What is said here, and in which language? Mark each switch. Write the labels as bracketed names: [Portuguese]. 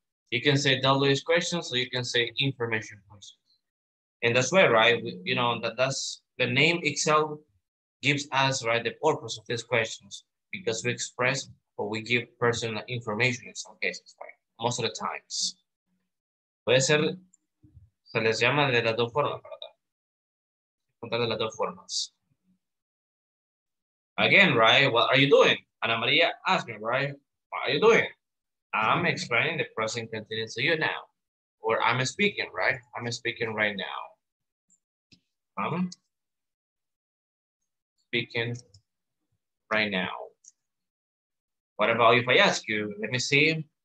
[English] You can say WH questions, so you can say information questions. And that's why, right, you know, that's the name itself gives us, right, the purpose of these questions, because we express or we give personal information in some cases, right, most of the times. [Spanish] Puede ser, se les llama de las dos formas, ¿verdad? Contar de las dos formas. [English] Again, right, what are you doing? Ana María, ask me, right, what are you doing? I'm explaining the present continuous to you now. Or I'm speaking, right? I'm speaking right now. Speaking right now. What about if I ask you? Let me see.